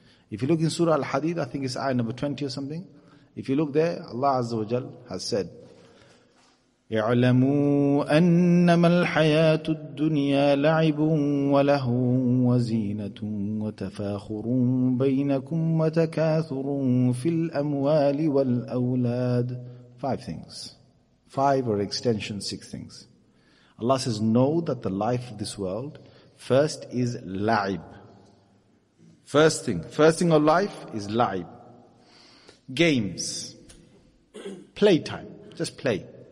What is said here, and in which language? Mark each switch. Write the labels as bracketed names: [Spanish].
[English] If you look in Surah Al-Hadid, I think it's ayah number 20 or something. If you look there, Allah Azza wa Jal has said, [Arabic] اعلموا أنما الحياة الدنيا لعب ولهو وزينة وتفاخر بينكم وتكاثر في الأموال والأولاد. [English] Five things. Five or extension, six things. Allah says, know that the life of this world first is la'ib. First thing of life is la'ib. Games. Playtime. Just play.